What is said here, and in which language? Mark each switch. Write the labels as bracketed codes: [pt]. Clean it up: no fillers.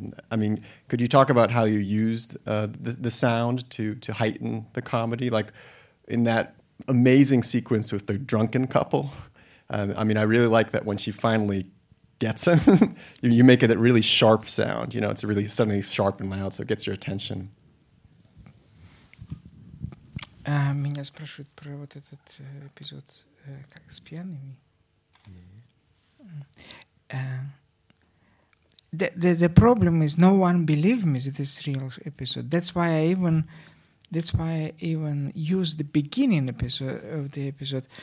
[en] I mean, could you talk about how you used the sound to heighten the comedy? Like in that amazing sequence with the drunken couple. I mean, I really like that when she finally gets him, you make it a really sharp sound. You know, it's really suddenly sharp and loud, so it gets your attention. [ru] Меня спрашивают про вот этот эпизод как с пьяными. [en] The problem is no one believed me that this real episode. That's why I even used the beginning episode of the episode.